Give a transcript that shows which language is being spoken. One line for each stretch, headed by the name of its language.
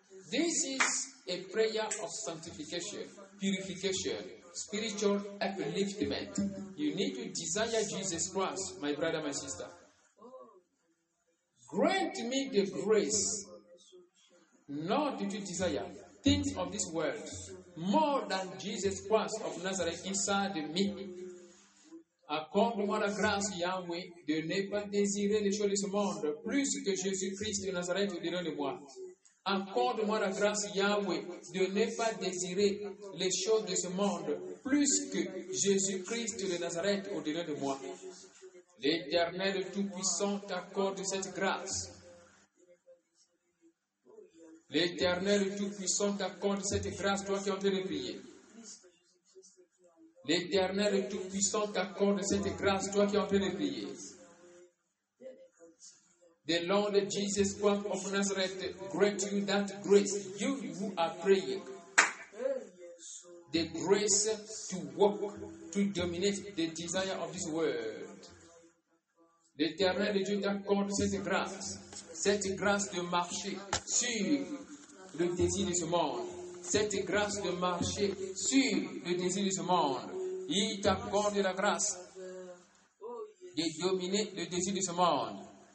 English: This is a prayer of sanctification, purification, spiritual upliftment. You need to desire Jesus Christ, my brother, my sister. Grant me the grace not to desire things of this world more than Jesus Christ of Nazareth inside me.
French: Accorde-moi la grâce, Yahweh, de ne pas désirer les choses de ce monde plus que Jésus-Christ de Nazareth au-dedans de moi. Accorde-moi la grâce, Yahweh, de ne pas désirer les choses de ce monde plus que Jésus-Christ de Nazareth au-dedans de moi. L'Éternel Tout-Puissant t'accorde cette grâce. L'Éternel Tout-Puissant t'accorde cette grâce, toi qui es en train de prier. L'Éternel Tout-Puissant t'accorde cette grâce, toi qui es en train de prier.
English: The Lord Jesus Christ of Nazareth grant you that grace, you who are praying. The grace to walk, to dominate the desire of this world.
French: L'Éternel Dieu t'accorde cette grâce de marcher sur le désir de ce monde. Cette grâce de marcher sur le désir de ce monde. Il t'accorde la grâce de dominer le désir de ce monde.